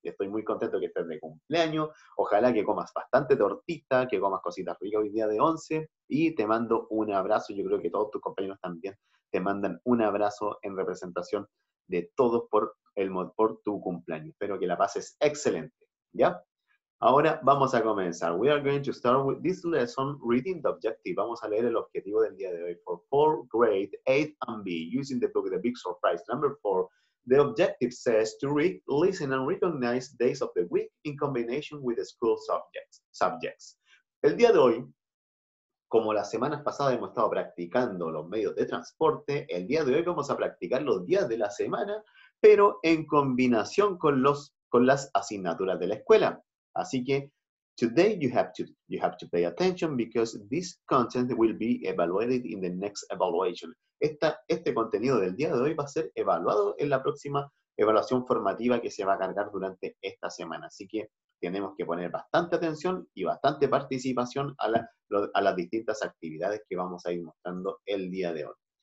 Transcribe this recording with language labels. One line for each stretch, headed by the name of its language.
Spanish: Estoy muy contento que estés de cumpleaños. Ojalá que comas bastante tortita, que comas cositas ricas hoy día de 11. Y te mando un abrazo. Yo creo que todos tus compañeros también te mandan un abrazo en representación de todos por tu cumpleaños. Espero que la pases excelente. ¿Ya? Ahora vamos a comenzar.
English: We are going to start with this lesson, reading the objective.
Spanish: Vamos a leer el objetivo del día de hoy
English: for 4th grade, 8th and B, using the book The Big Surprise number 4. The objective says to read, listen, and recognize days of the week in combination with the school subjects.
Spanish: El día de hoy, como las semanas pasadas hemos estado practicando los medios de transporte, el día de hoy vamos a practicar los días de la semana, pero en combinación con las asignaturas de la escuela. Así que,
English: today you have to pay attention because this content will be evaluated in the next evaluation.
Spanish: Este contenido del día de hoy va a ser evaluado en la próxima evaluación formativa que se va a cargar durante esta semana. Así que tenemos que poner bastante atención y bastante participación a las distintas actividades que vamos a ir mostrando el día de hoy.